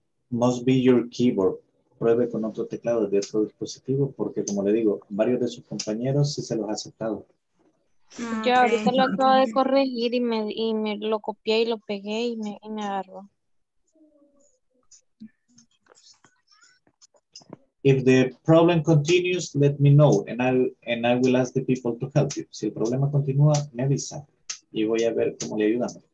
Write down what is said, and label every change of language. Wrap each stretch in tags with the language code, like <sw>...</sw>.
<en>Must be your keyboard.</en> <es>Pruebe con otro teclado de otro dispositivo porque, como le digo, varios de sus compañeros sí se los ha aceptado.</es> <en>Okay.</en> <es>Yo ahorita lo acabo de corregir y me lo copié y lo pegué y me agarró.</es> <en>If the problem continues, let me know and I will ask the people to help you.</en> <es>Si el problema continúa, me avisa y voy a ver cómo le ayudan.</es>